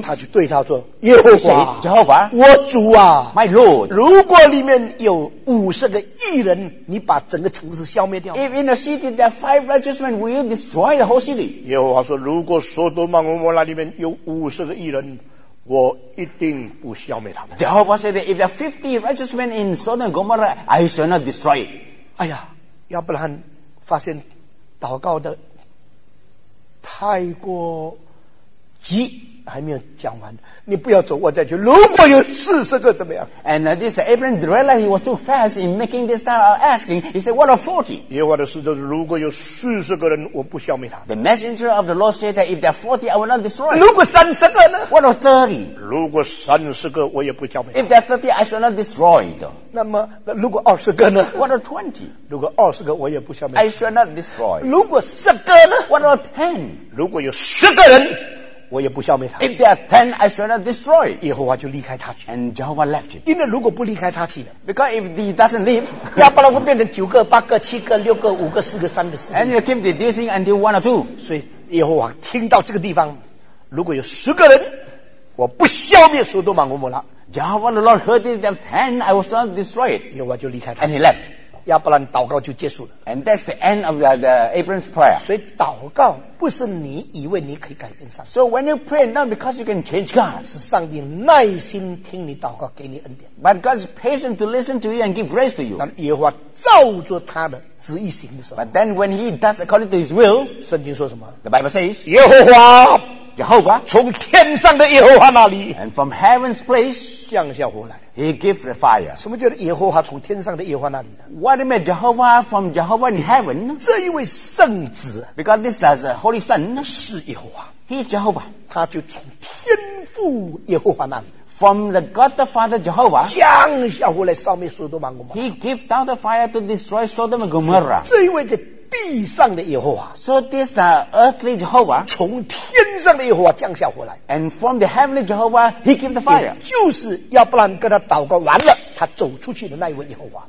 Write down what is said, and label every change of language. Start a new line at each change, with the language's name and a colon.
Chinese: 他就对他说：“耶和华，耶和华，我主啊
English: ，My Lord，
Chinese: 如果里面有五十个义人，你把整个城市消灭掉
English: ？If in the city there are five righteous men， will you destroy the whole city？”
Chinese: 耶和华说：“如果所多玛、蛾摩拉里面有五十个义人。” 我一定不消灭他们。
English: Jehovah said that if there are 50 righteous men in Sodom and Gomorrah, I shall not destroy it.
Chinese: 哎呀，亚伯拉罕发现祷告的太过急，还没有讲完。你不要走，我再去。如果有40个怎么样
English: ？And this Abraham realized he was too fast in making this kind of asking. He said, "What of 40?"
Chinese: 耶和华的使者，如果有40个人，我不消灭他。
English: The messenger of the Lord said that if there are 40, I will not destroy.
Chinese: 如果30个呢
English: ？What of 30?
Chinese: 如果30个，我也不消灭。
English: If there are 30, I shall not destroy.
Chinese: 那么，如果20个呢
English: ？What of 20?
Chinese: 如果20个，我也不消灭。
English: I shall not destroy.
Chinese: 如果10个呢
English: ？What of 10?
Chinese: 如果有10个人。我也不消灭他。
English: If there are 10, I shall not destroy.
Chinese: 耶和华就离开他去。
English: And Jehovah left him.
Chinese: 因为如果不离开他去呢
English: ？Because if he doesn't leave,
Chinese: 亚伯拉罕变成九个、八个、七个、六个、五个、四个、三个、四个。
English: And he keep reducing until one or two.
Chinese: 所以耶和华听到这个地方，如果有十个人，我不消灭所多玛、蛾摩拉。
English: Jehovah the Lord heard there are 10, I will not destroy it.
Chinese: 耶和华就离开他。
English: And he left.
Chinese: 亚伯拉罕祷告就结束了。
English: And that's the end of the Abraham's prayer.
Chinese: 所以祷告不是你以为你可以改变上帝。
English: So when you pray, not because you can change God.
Chinese: 是上帝耐心听你祷告，给你恩典。
English: But God's patient to listen to you and give grace to you.
Chinese: 当耶和华照着他的旨意行的时候。
English: But then when he does according to his will.
Chinese: 圣经说什么
English: ？The Bible says,
Chinese: 耶和华。
English: Jehovah,
Chinese: 从天上的耶和华那里
English: ，and from heaven's place
Chinese: 降下火来
English: ，he gives the fire。
Chinese: 什么叫耶和华从天上的耶和华那里呢
English: ？What made Jehovah from Jehovah in heaven？
Chinese: 这一位圣子
English: ，because this is a holy son，
Chinese: 是耶和华
English: ，he is Jehovah，
Chinese: 他就从天父耶和华那里。
English: From the God the Father Jehovah,
Chinese: 降下火来烧灭所多玛、蛾摩拉。
English: He gave down the fire to destroy Sodom and Gomorrah.
Chinese: 这一位在地上的耶和华。
English: So this earthly Jehovah,
Chinese: 从天上的耶和华降下火来。
English: And from the heavenly Jehovah, he gave the fire.
Chinese: 就是亚伯兰跟他祷告完了，他走出去的那一位耶和华。